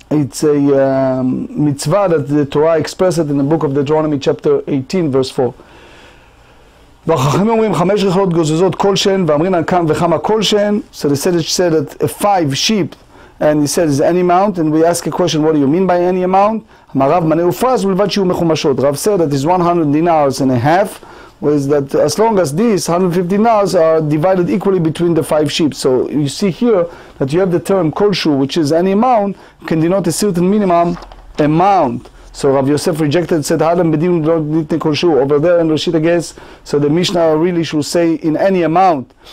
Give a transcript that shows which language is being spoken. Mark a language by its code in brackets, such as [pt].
[en] It's a mitzvah that the Torah expressed in the book of Deuteronomy chapter 18, verse 4. [he] והחכמים אומרים חמש רחלות גוזזות כלשהן ואמרים על כמה וכמה כלשהן. [en] So they said that five sheep, and he said, is any amount? And we ask a question, what do you mean by any amount? [he] אמר רב מנה ופרס ולבד שיהיו מחומשות. [en] רב said that is 100 dinars and a half, was that as long as these 150 dinars are divided equally between the five sheep. So you see here that you have the term kolshu, which is any amount, can denote a certain minimum amount. So Rav Yosef rejected, said, [he] "Adam bedin lo nitne kol shehu." [en] Over there in Rashi, I guess, so the Mishnah really should say in any amount.